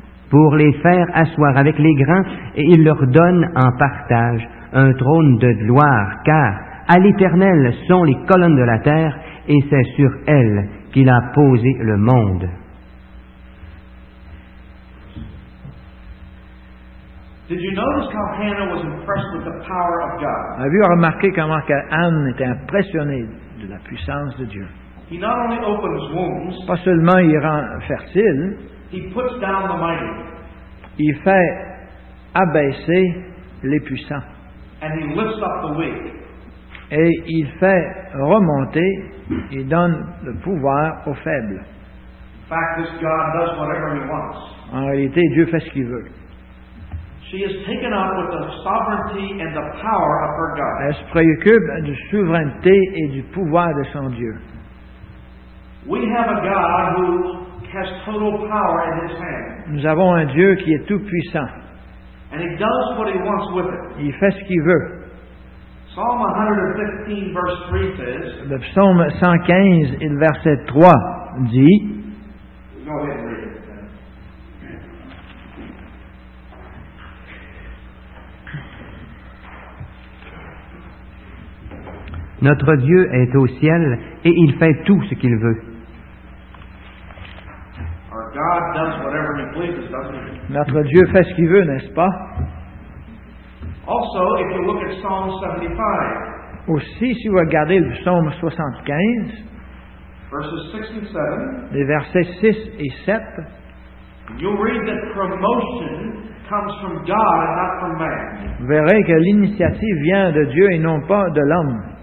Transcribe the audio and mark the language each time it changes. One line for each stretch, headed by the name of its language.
French: Pour les faire asseoir avec les grands, et il leur donne en partage un trône de gloire, car à l'Éternel sont les colonnes de la terre, et c'est sur elle qu'il a posé le monde.
English: Did you notice how Hannah was impressed with the power of God?
French: Avez-vous remarqué comment Anne était impressionnée de la puissance de Dieu?
English: He not only opens wounds,
French: pas seulement il rend fertile,
English: he puts down the mighty.
French: Il fait abaisser les puissants.
English: And he lifts up the weak.
French: Et il fait remonter, il donne le pouvoir aux faibles.
English: In fact, this God does whatever he wants.
French: En réalité, Dieu fait ce qu'il veut.
English: She is taken up with the sovereignty and the power of her God.
French: Elle se préoccupe de souveraineté et du pouvoir de son Dieu.
English: We have a God who has total power in his hand.
French: Nous avons un Dieu qui est tout puissant.
English: And he does what he wants with it.
French: Il fait ce qu'il veut.
English: Psalm 115, verse 3 says,
French: le psaume 115 et le verset 3 dit,
English: go ahead, read it.
French: Notre Dieu est au ciel et il fait tout ce qu'il veut.
English: Our God does whatever he pleases, doesn't he?
French: Notre Dieu fait ce qu'il veut, n'est-ce pas?
English: Also, if you look at Psalm 75,
French: aussi, si vous regardez le psaume 75,
English: verses 6 and 7,
French: les versets 6 et 7,
English: you'll read that promotion comes from God and not from man.
French: Vous verrez que l'initiative vient de Dieu et non pas de l'homme.